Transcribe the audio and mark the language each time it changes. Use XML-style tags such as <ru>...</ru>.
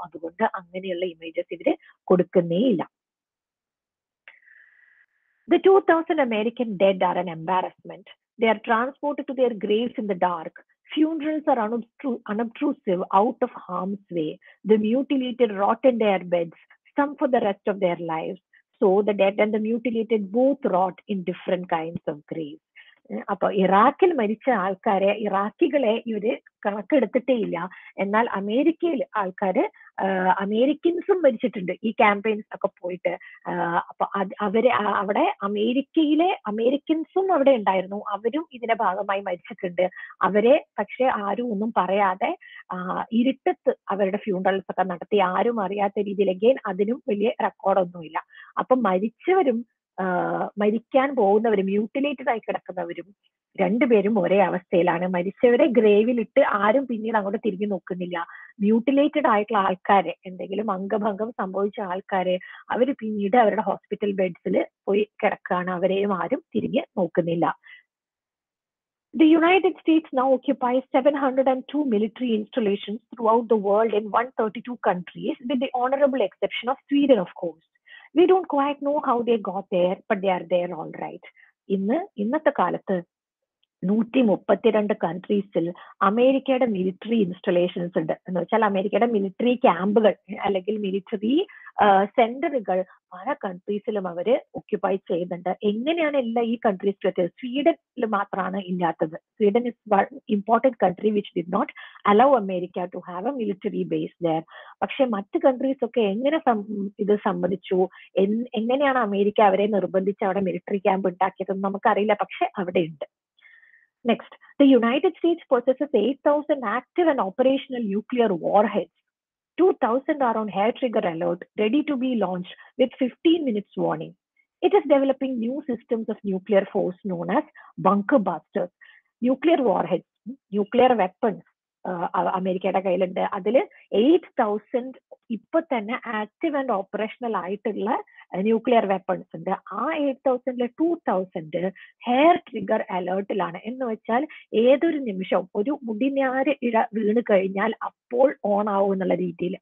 <ml>അതുകൊണ്ട് അങ്ങനെയുള്ള ഇമേജസ് ഇവര് കൊടുക്കുന്നേ ഇല്ല.</ml> <en>The 2000 American dead are an embarrassment, they are transport to their graves in the dark. Funerals are unobtrusive, out of harm's way. The mutilated rot in their beds, some for the rest of their lives. So the dead and the mutilated both rot in different kinds of graves.</en> <ml>അപ്പൊ ഇറാഖിൽ മരിച്ച ആൾക്കാരെ, ഇറാഖികളെ ഇവര് കണക്കെടുത്തിട്ടേ ഇല്ല. എന്നാൽ അമേരിക്കയിൽ ആൾക്കാര്, അമേരിക്കൻസും മരിച്ചിട്ടുണ്ട് ഈ ക്യാമ്പയിൻസ് ഒക്കെ പോയിട്ട്. അപ്പൊ അവരെ അവിടെ അമേരിക്കയിലെ അമേരിക്കൻസും അവിടെ ഉണ്ടായിരുന്നു, അവരും ഇതിന്റെ ഭാഗമായി മരിച്ചിട്ടുണ്ട്. അവരെ പക്ഷെ ആരും ഒന്നും പറയാതെ ഇരുട്ടത്ത് അവരുടെ ഫ്യൂണറൽസ് ഒക്കെ നടത്തി, ആരും അറിയാത്ത രീതിയിൽ. അഗെയിൻ അതിനും വലിയ റെക്കോർഡൊന്നുമില്ല. അപ്പൊ മരിച്ചവരും മരിക്കാൻ പോകുന്നവരും മ്യൂട്ടിലേറ്റഡ് ആയി കിടക്കുന്നവരും രണ്ടുപേരും ഒരേ അവസ്ഥയിലാണ്. മരിച്ചവരെ ഗ്രേവിലിട്ട് ആരും പിന്നീട് അങ്ങോട്ട് തിരിഞ്ഞു നോക്കുന്നില്ല. മ്യൂട്ടിലേറ്റഡ് ആയിട്ടുള്ള ആൾക്കാരെ, എന്തെങ്കിലും അംഗഭംഗം സംഭവിച്ച ആൾക്കാരെ, അവര് പിന്നീട് അവരുടെ ഹോസ്പിറ്റൽ ബെഡ്സിൽ പോയി കിടക്കുകയാണ്. അവരെയും ആരും തിരിഞ്ഞു നോക്കുന്നില്ല.</ml> <en>The United States now occupies 702 military installations throughout the world in 132 countries, with the honorable exception of Sweden, of course. We don't quite know how they got there, but they are there all right.</en> <ml>ഇന്നത്തെ കാലത്ത് 132 കൺട്രീസിൽ അമേരിക്കയുടെ military installations ഉണ്ട് എന്ന് വെച്ചാൽ അമേരിക്കയുടെ military ക്യാമ്പുകൾ അല്ലെങ്കിൽ military സെന്ററുകൾ പല കൺട്രീസിലും അവര് ഒക്യുപ്പൈ ചെയ്യുന്നുണ്ട്. എങ്ങനെയാണ് എല്ലാ ഈ കൺട്രീസിലും എത്തിയത്? സ്വീഡനിൽ മാത്രമാണ് ഇല്ലാത്തത്.</ml> <en>Sweden is one important country which did not allow America to have a military base there.</en> <ml>പക്ഷെ മറ്റ് കൺട്രീസ് ഒക്കെ എങ്ങനെ ഇത് സംബന്ധിച്ചു, എങ്ങനെയാണ് അമേരിക്ക അവരെ നിർബന്ധിച്ച് അവിടെ മിലിറ്ററി ക്യാമ്പ് ഉണ്ടാക്കിയതെന്ന് നമുക്കറിയില്ല, പക്ഷെ അവിടെ ഉണ്ട്.</ml> <en>Next, the United States possesses 8,000 active and operational nuclear warheads. 2,000 are on hair trigger alert, ready to be launched with 15 minutes warning. It is developing new systems of nuclear force known as bunker busters. Nuclear warheads, nuclear weapons,</en> <ml>അമേരിക്കയുടെ കയ്യിലുണ്ട്. അതില് 8,000 ഇപ്പൊ തന്നെ</ml> <en>active and operational</en> <ml>ആയിട്ടുള്ള nuclear weapons ഉണ്ട്. ആ 8,000 2,000 hair trigger അലേർട്ടിലാണ്. എന്ന് വെച്ചാൽ ഏതൊരു നിമിഷവും ഒരു മുടിനാര് ഇഴ വീണ് കഴിഞ്ഞാൽ അപ്പോൾ ഓൺ ആവും എന്നുള്ള രീതിയിൽ.</ml>